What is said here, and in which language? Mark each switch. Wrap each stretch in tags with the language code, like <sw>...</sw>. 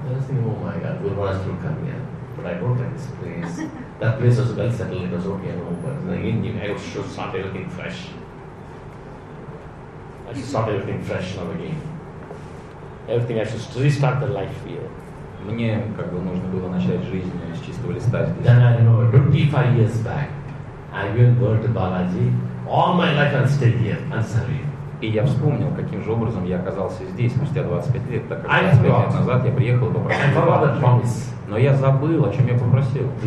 <en>I should start everything fresh now again. Everything, I should restart the life here.</en> <ru>Мне как бы нужно было начать жизнь с чистого листа здесь.</ru> <en>Then I know, 25 years back, I even went to Balaji. All my life I stayed here, Ansari.</en> <ru>И я вспомнил, каким же образом я оказался здесь спустя 25 лет, так как 25 лет назад я приехал и попросил Бабаджи. Но я забыл, о чем я попросил.</ru>